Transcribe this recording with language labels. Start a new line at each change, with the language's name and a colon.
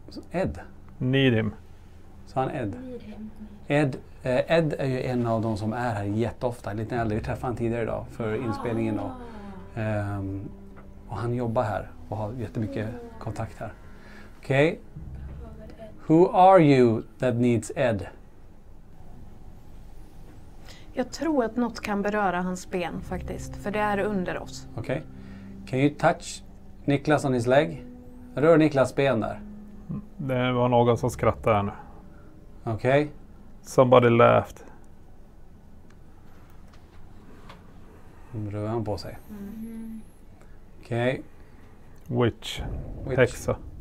Swedish: Ed?
English: Need him.
Swedish: Så han Ed? Ed är ju en av de som är här jätteofta, lite äldre. Vi träffade han tidigare idag för inspelningen. Då. Och han jobbar här och har jättemycket kontakt här. Okej. Okay.
English: Who are you that needs Ed?
Swedish: Jag tror att något kan beröra hans ben faktiskt, för det är under oss. Okej. Okay.
English: Can you touch Niklas on his leg?
Swedish: Rör Niklas ben där. Det var någon som skrattade här nu. Okej.
English: Okay. Somebody laughed.
Swedish: Rör han på sig. Okej.
English: Okay. Witch. Hexa.